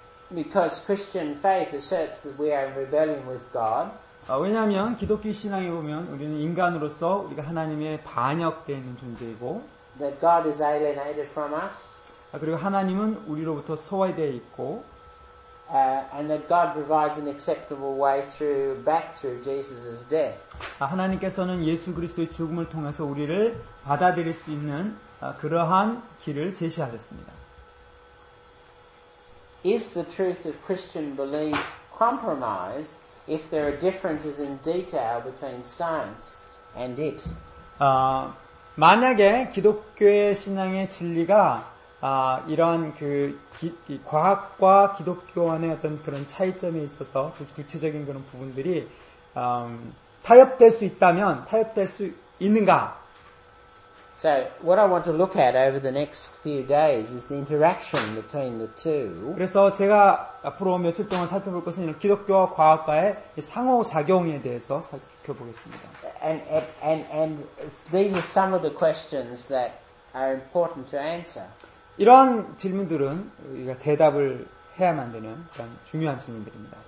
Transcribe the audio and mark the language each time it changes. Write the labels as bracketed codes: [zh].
[en] Because Christian faith asserts that we are in rebellion with God. [ko] 왜냐하면 기독교 신앙에 보면 우리는 인간으로서 우리가 하나님의 반역되어 있는 존재이고 [en] that God is alienated from us. [ko] 그리고 하나님은 우리로부터 소외되어 있고 [en] And that God provides an acceptable way through Jesus' death. [ko] 하나님께서는 예수 그리스도의 죽음을 통해서 우리를 받아들일 수 있는 그러한 길을 제시하셨습니다. [en] Is the truth of Christian belief compromised if there are differences in detail between science and it? [ko] 만약에 기독교의 신앙의 진리가 이런 이 과학과 기독교 안의 어떤 그런 차이점에 있어서 구체적인 그런 부분들이 타협될 수 있다면 타협될 수 있는가? [en] So what I want to look at over the next few days is the interaction between the two. [ko] 그래서 제가 앞으로 며칠 동안 살펴볼 것은 기독교와 과학과의 상호 작용에 대해서 살펴보겠습니다. [en] And these are some of the questions that are important to answer. [ko] 이러한 질문들은 우리가 대답을 해야만 되는 그런 중요한 질문들입니다.